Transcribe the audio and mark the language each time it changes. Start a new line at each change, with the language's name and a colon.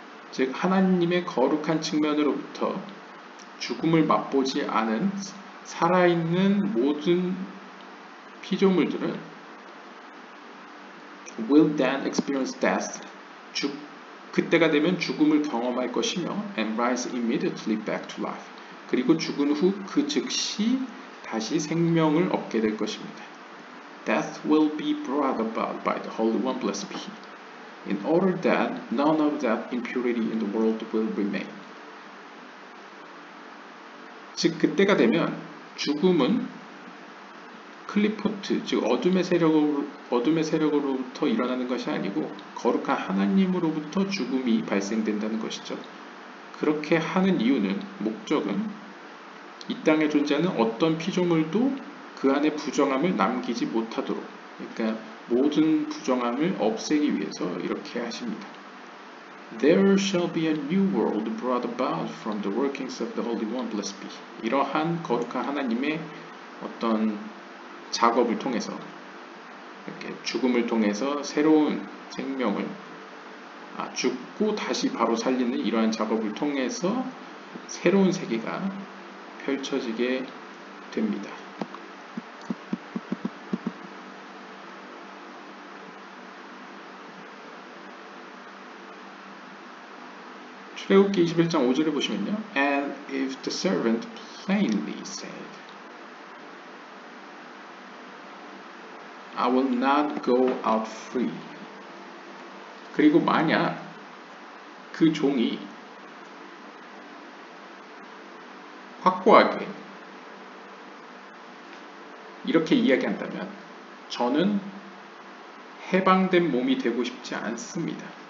Korean: 즉 하나님의 거룩한 측면으로부터 죽음을 맛보지 않은 살아있는 모든 피조물들은
English: will then experience death.
Korean: 그때가 되면 죽음을 경험할 것이며
English: and rise immediately back to life.
Korean: 그리고 죽은 후 그 즉시 다시 생명을 얻게 될 것입니다.
English: Death will be brought about by the Holy One, blessed be He. In order that none of that impurity in the world will remain.
Korean: 즉 그때가 되면 죽음은 클리포트, 즉 어둠의 세력으로부터 일어나는 것이 아니고 거룩한 하나님으로부터 죽음이 발생된다는 것이죠. 그렇게 하는 이유는, 목적은 이 땅에 존재하는 어떤 피조물도 그 안에 부정함을 남기지 못하도록, 그러니까 모든 부정함을 없애기 위해서 이렇게 하십니다.
English: There shall be a new world brought about from the workings of the Holy One, blessed be.
Korean: 이러한 거룩한 하나님의 어떤 작업을 통해서 이렇게 죽음을 통해서 새로운 생명을 죽고 다시 바로 살리는 이러한 작업을 통해서 새로운 세계가 펼쳐지게 됩니다. 출애굽기 21장 5절을 보시면요.
English: And if the servant plainly said, I will not go out free.
Korean: 그리고 만약 그 종이 확고하게 이렇게 이야기한다면 저는 해방된 몸이 되고 싶지 않습니다.